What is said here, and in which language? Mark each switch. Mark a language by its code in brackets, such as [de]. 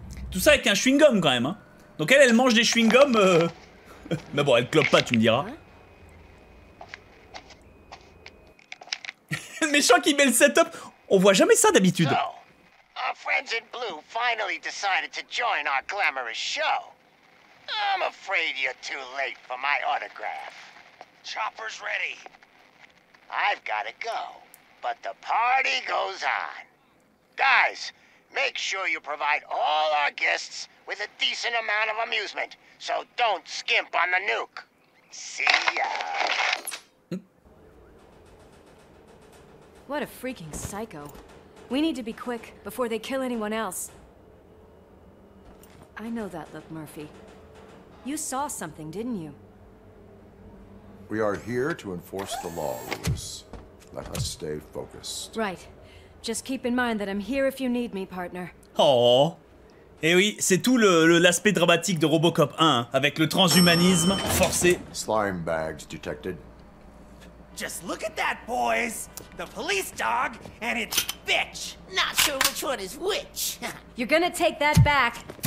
[fr] Tout ça avec un chewing-gum quand même, hein. Donc elle, elle mange des chewing-gums. Mais bon, elle clope pas, tu me diras. Le méchant qui met le setup, on voit jamais ça d'habitude. [en] So, our friends in blue finally decided to join our glamorous show. I'm afraid you're too late for my autograph. Chopper's ready. I've gotta go, but the party goes on. Guys, make sure you provide all our guests with a decent amount of amusement, so don't skimp on the nuke. See ya. What a freaking psycho. We need to be quick before they kill anyone else. I know that look, Murphy. You saw something, didn't you? We are here to enforce the law, Louis. Let us stay focused. Right. Just keep in mind that I'm here if you need me, partner. Oh. [fr] Eh oui, c'est tout l'aspect dramatique de Robocop 1, avec le transhumanisme forcé. [en] Slime bags detected. Just look at that, boys! The police dog and its bitch! Not sure which one is which. You're gonna take that back.